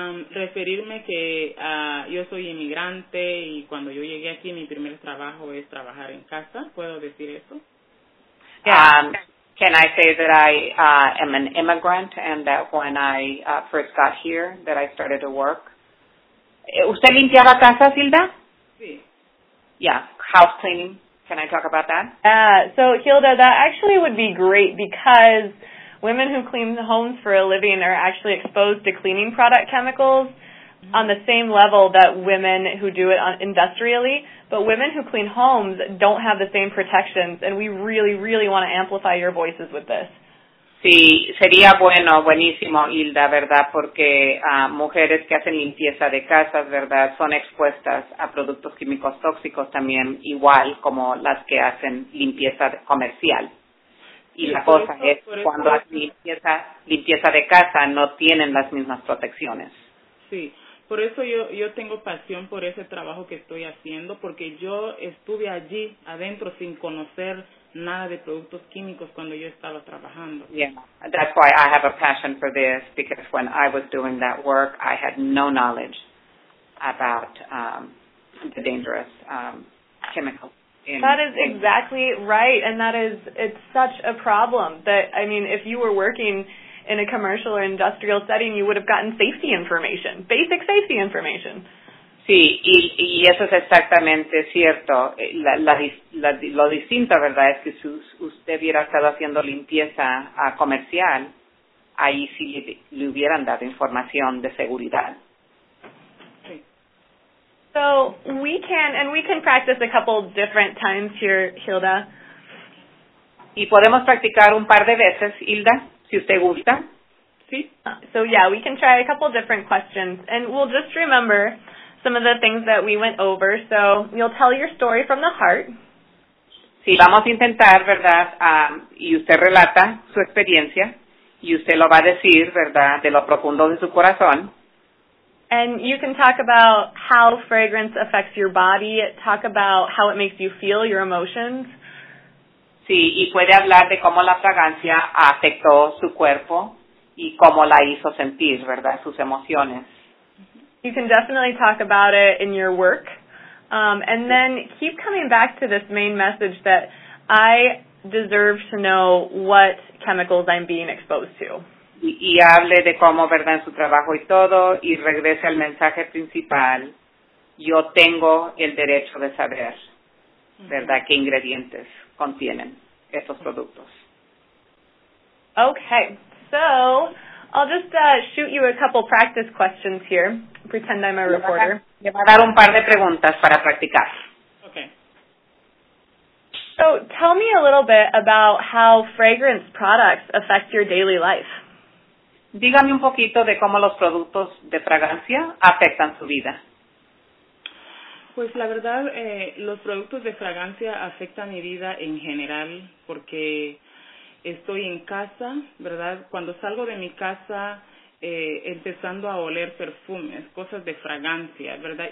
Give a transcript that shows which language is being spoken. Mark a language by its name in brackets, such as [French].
[Spanish] Referirme que yo soy inmigrante y cuando yo llegué aquí mi primer trabajo es trabajar en casa. ¿Puedo decir eso? [English] Can I say that I am an immigrant and that when I first got here that I started to work? [Spanish] ¿Usted limpiaba casa, Hilda? Sí. [English] Yeah, house cleaning. Can I talk about that? So, Hilda, that actually would be great because women who clean homes for a living are actually exposed to cleaning product chemicals on the same level that women who do it industrially. But women who clean homes don't have the same protections, and we really, really want to amplify your voices with this. [Spanish] Sí, sería bueno, buenísimo, Hilda, ¿verdad? Porque mujeres que hacen limpieza de casas, ¿verdad? Son expuestas a productos químicos tóxicos también, igual como las que hacen limpieza comercial. Y la cosa es, cuando hacen limpieza de casa, no tienen las mismas protecciones. Sí, por eso yo tengo pasión por ese trabajo que estoy haciendo, porque yo estuve allí adentro sin conocer nada de productos químicos cuando yo estaba trabajando. [English] Yeah, that's why I have a passion for this, because when I was doing that work, I had no knowledge about the dangerous chemicals. That is exactly right, and that is, it's such a problem that, I mean, if you were working in a commercial or industrial setting, you would have gotten safety information, basic safety information. [Spanish] Sí, y eso es exactamente cierto. Lo distinto, ¿verdad?, es que si usted hubiera estado haciendo limpieza comercial, ahí sí le hubieran dado información de seguridad. [English] So we can, and we can practice a couple different times here, Hilda. [Spanish] ¿Y podemos practicar un par de veces, Hilda, si usted gusta? Sí. [English] So yeah, we can try a couple different questions. And we'll just remember some of the things that we went over. So you'll tell your story from the heart. [Spanish] Sí, vamos a intentar, ¿verdad? Y usted relata su experiencia. Y usted lo va a decir, ¿verdad?, de lo profundo de su corazón. [English] And you can talk about how fragrance affects your body, talk about how it makes you feel, your emotions. [Spanish] Sí, y puede hablar de cómo la fragancia afectó su cuerpo y cómo la hizo sentir, ¿verdad?, sus emociones. [English] You can definitely talk about it in your work. And then keep coming back to this main message that I deserve to know what chemicals I'm being exposed to. [Spanish] Y hable de cómo, ¿verdad?, en su trabajo y todo, y regrese al mensaje principal. Yo tengo el derecho de saber, ¿verdad?, qué ingredientes contienen estos productos. [English] Okay, so I'll just shoot you a couple practice questions here. Pretend I'm a reporter. [Spanish] Le voy a dar un par de preguntas para practicar. [English] Okay. So tell me a little bit about how fragrance products affect your daily life. [Spanish] Dígame un poquito de cómo los productos de fragancia afectan su vida. Pues la verdad, los productos de fragancia afectan mi vida en general porque estoy en casa, ¿verdad? Cuando salgo de mi casa, empezando a oler perfumes, cosas de fragancia, ¿verdad?